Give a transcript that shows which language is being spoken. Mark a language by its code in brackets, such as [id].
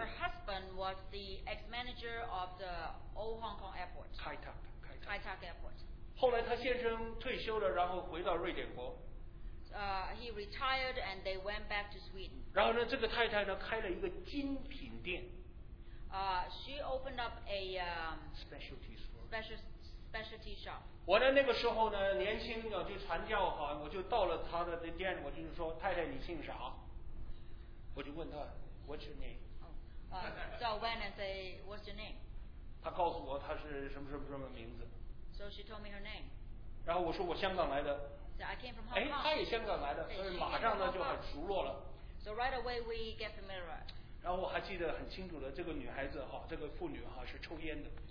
[en] Her husband was the ex-manager of the old Hong Kong airport. Kai Tak airport. [zh] 后来她先生退休了，然后回到瑞典国。 [en] He retired and they went back to Sweden. [zh] 然后呢，这个太太呢开了一个精品店。 [en] She opened up a specialty store. Specialty shop. [zh] 我呢那个时候呢年轻啊，就传教哈，我就到了他的店，我就是说，太太你姓啥？我就问他 ， [en] What's your name? So I went and say, What's your name? [zh] 他告诉我他是什么什么什么名字。 [en] So she told me her name. [zh] 然后我说我香港来的。 [en] So I came from Hong Kong. [zh] 哎，她也香港来的，所以马上呢就很熟络了。 [en] So right away we get familiar. [zh] 然后我还记得很清楚的，这个女孩子哈，这个妇女哈是抽烟的。